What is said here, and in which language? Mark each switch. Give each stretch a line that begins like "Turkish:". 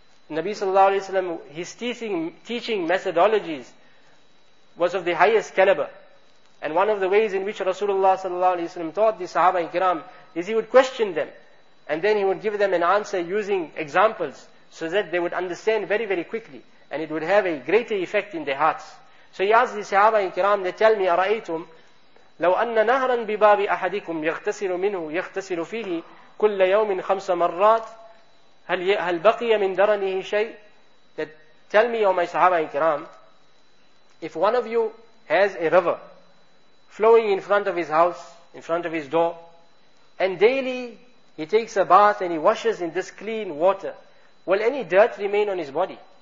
English: Nabi sallallahu alayhi wa sallam, his teaching methodologies was of the highest caliber. And one of the ways in which Rasulullah sallallahu alayhi wa sallam taught the sahaba ikram is he would question them. And then he would give them an answer using examples so that they would understand very, very quickly. And it would have a greater effect in their hearts. So he asked the sahaba ikram, they tell me,
Arabic: أَرَأَيْتُمْ لَوْ أَنَّ نَهْرًا بِبَابِ أَحَدِكُمْ يَغْتَسِلُ مِنْهُ يَغْتَسِلُ فِيهِ كُلَّ يَوْمٍ 5 مَرَّاتٍ هَلْ بَقِيَ مِنْ دَرَنِهِ شَيْءٍ.
English: That tell me, O my sahaba ikram, if one of you has a river flowing in front of his house, in front of his door, and daily he takes a bath and he washes in this clean water, will any dirt remain on his body?